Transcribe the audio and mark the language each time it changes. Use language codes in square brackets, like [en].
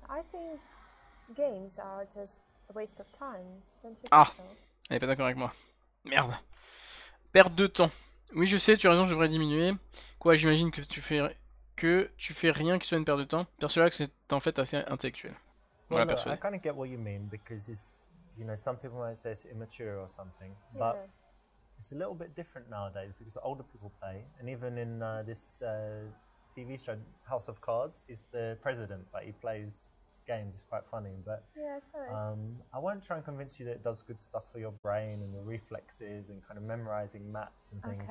[en] I think games are just a waste of time, don't you think so? [fr] Elle est pas d'accord avec moi. Merde. Perte de temps. Oui, je sais, tu as raison, je devrais diminuer. Quoi, j'imagine que tu fais... Que tu fais rien qui soit une perte de temps, persuade-la que c'est en fait assez intellectuel. Voilà, persuade. [en] I kind of get what you mean because it's, you know, some people might say it's immature or something, but it's a little bit different nowadays because the older people play, and even in this TV show House of Cards, he's the president, but he plays games. It's quite funny, but I won't try and convince you that it does good stuff for your brain and the reflexes and kind of memorizing maps and things.